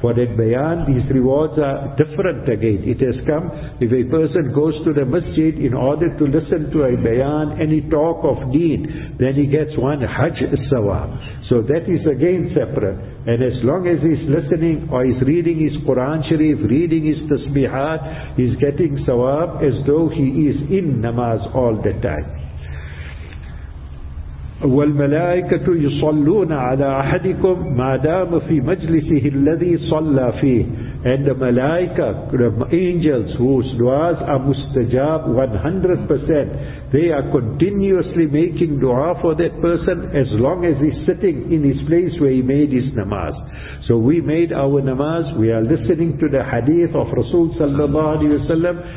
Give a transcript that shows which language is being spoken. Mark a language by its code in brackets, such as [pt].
[en] For that bayan, these rewards are different again. It has come, if a person goes to the masjid in order to listen to a bayan, any talk of deen, then he gets one hajj sawab. So that is again separate. And as long as he's listening or he's reading his Quran Sharif, reading his tasbihat, he's getting sawab as though he is in namaz all the time. [ar] والملائكة يصلون على أحدكم ما دام في مجلسه الذي صلى فيه. [en] And the malaika, the angels whose du'as are mustajab 100%, they are continuously making du'a for that person as long as he's sitting in his place where he made his namaz. So we made our namaz, we are listening to the hadith of Rasul sallallahu alayhi wa sallam.